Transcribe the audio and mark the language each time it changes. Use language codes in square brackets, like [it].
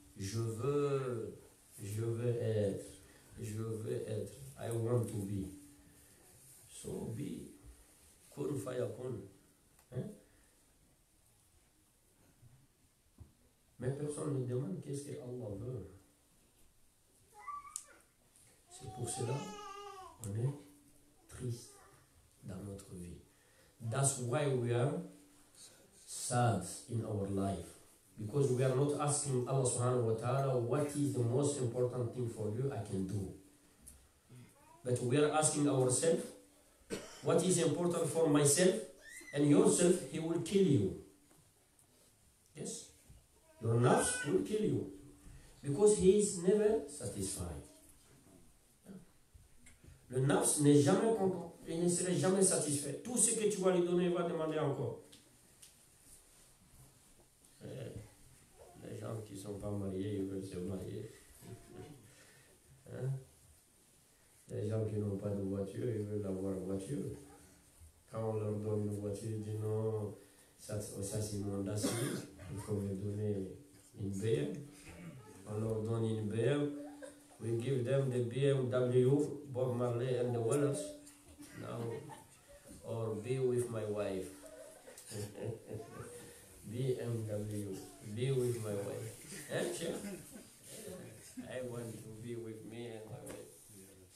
[fr] Je veux être. [en] I want to be. So be. [ar] Kun fayakun. [fr] Mais personne ne demande qu'est-ce que Allah veut. C'est pour cela qu'on est triste dans notre vie. [en] That's why we are sad in our life. Because we are not asking Allah subhanahu wa ta'ala, what is the most important thing for you I can do? But we are asking ourselves, what is important for myself and yourself, he will kill you. Yes? Your nafs will kill you. Because he is never satisfied. [fr] Le nafs n'est jamais content, il ne serait jamais satisfait. Tout ce que tu vas lui donner, il va demander encore. Les gens qui ne sont pas mariés, ils veulent se marier. Les gens qui n'ont pas de voiture, ils veulent avoir une voiture. Quand on leur donne une voiture, ils disent non, ça c'est mon assis, il faut me donner une BM. On leur donne une BM. [en] We give them the BMW, Bob Marley and the Wallers. Now, or be with my wife. BMW, be with my wife. Eh, I want to be with me and my wife.